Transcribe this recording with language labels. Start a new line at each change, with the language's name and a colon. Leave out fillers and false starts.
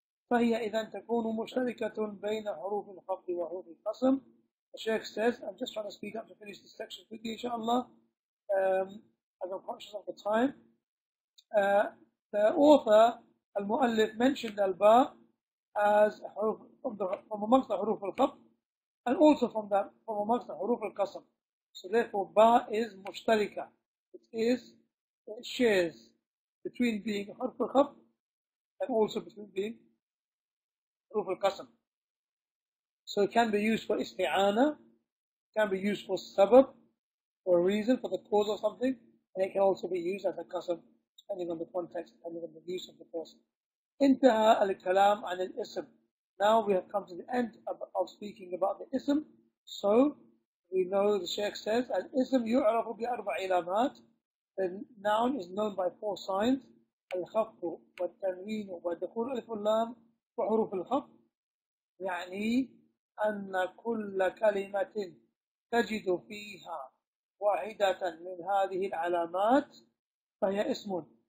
Arabic: فهي إذا تكون مشتركة بين حروف الخفض وحروف القسم.
English: The Shaykh says, I'm just trying to speak up to finish this section quickly, inshallah. As I'm conscious of the time. The author, al-mu'allif, mentioned al-ba as a حروف from amongst the حروف الخفض, and also from amongst the حروف القسم. So therefore, ba is مشتركة. It shares between being حرف الخف and also between being حروف القسم. So it can be used for isti'ana, can be used for sabab, for a reason, for the cause of something, and it can also be used as a qasam, depending on the context, depending on the use of the person.
Arabic: Intaha al-kalam an al-ism.
English: Now we have come to the end of speaking about the ism. So we know the Shaykh says,
Arabic: al-ism yu'arafu bi-arba' ilamat.
English: The noun is known by four signs,
Arabic: al-khafu wa-tanween wa-dukhul al-fulam wa-huruf al-khaf. يعني أن كل كلمة تجد فيها واحدة من هذه العلامات فهي اسم.